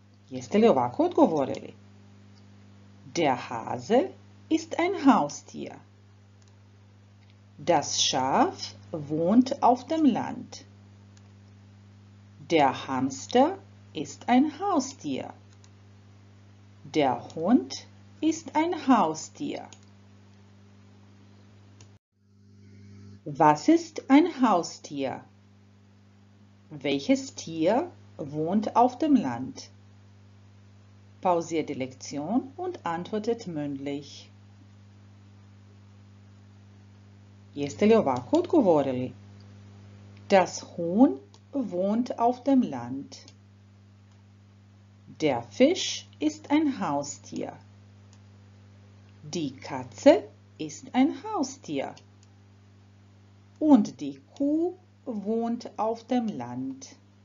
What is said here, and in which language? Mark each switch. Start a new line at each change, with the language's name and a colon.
Croatian: Jeste li ovako odgovorili?
German: Der Hase ist ein Haustier. Das Schaf wohnt auf dem Land. Der Hamster ist ein Haustier. Der Hund ist ein Haustier. Was ist ein Haustier? Welches Tier wohnt auf dem Land? Pausiert die Lektion und antwortet mündlich.
Croatian: Jeste li ovako odgovorili?
German: Das Huhn wohnt auf dem Land. Der Fisch ist ein Haustier. Die Katze ist ein Haustier. Und die Kuh wohnt auf dem Land.